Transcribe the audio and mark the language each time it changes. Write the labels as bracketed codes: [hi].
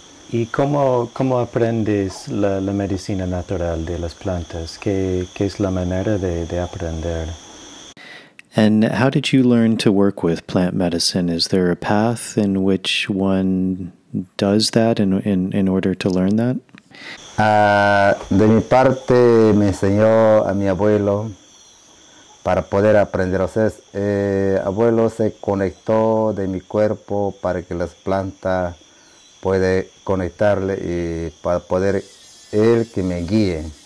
[es] ¿Y cómo aprendes la medicina natural de las plantas? ¿Qué es la manera de aprender? [en] And how did you learn to work with plant medicine? Is there a path in which one does that in order to learn that? [es] De mi parte, me enseñó a mi abuelo para poder aprender. O sea, abuelo se conectó de mi cuerpo para que las plantas puedan conectarle y para poder él que me guíe.